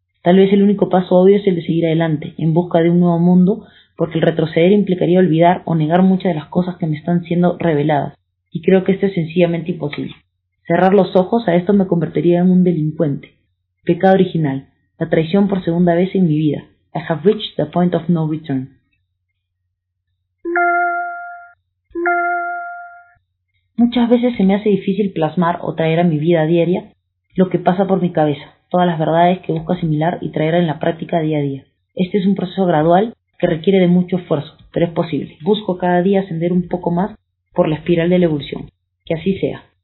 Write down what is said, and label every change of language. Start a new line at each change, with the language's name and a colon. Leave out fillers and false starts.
Spanish: Tal vez el único paso obvio es el de seguir adelante, en busca de un nuevo mundo, porque el retroceder implicaría olvidar o negar muchas de las cosas que me están siendo reveladas. Y creo que esto es sencillamente imposible. Cerrar los ojos a esto me convertiría en un delincuente. Pecado original. La traición por segunda vez en mi vida.
English: I have reached the point of no return.
Spanish: Muchas veces se me hace difícil plasmar o traer a mi vida diaria lo que pasa por mi cabeza, todas las verdades que busco asimilar y traer en la práctica día a día. Este es un proceso gradual que requiere de mucho esfuerzo, pero es posible. Busco cada día ascender un poco más por la espiral de la evolución. Que así sea.